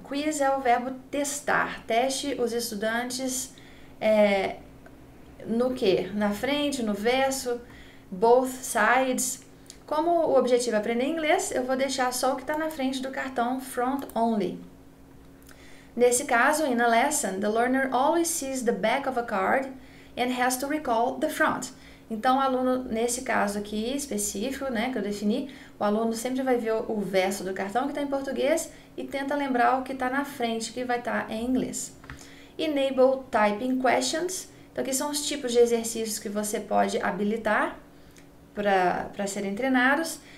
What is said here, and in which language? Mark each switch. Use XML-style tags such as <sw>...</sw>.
<pt>Quiz é o verbo testar. Teste os estudantes. No quê? Na frente, no verso,</pt> <en>both sides.</en> <pt>Como o objetivo é aprender inglês, eu vou deixar só o que está na frente do cartão</pt> <en>front only.</en> <pt>Nesse caso,</pt> <en>in a lesson, the learner always sees the back of a card and has to recall the front.</en> <pt>Então, o aluno, nesse caso aqui específico, né, que eu defini, o aluno sempre vai ver o verso do cartão que está em português e tenta lembrar o que está na frente, que vai estar em inglês.</pt> <en>Enable typing questions.</en> <pt>Então, aqui são os tipos de exercícios que você pode habilitar para serem treinados.</pt>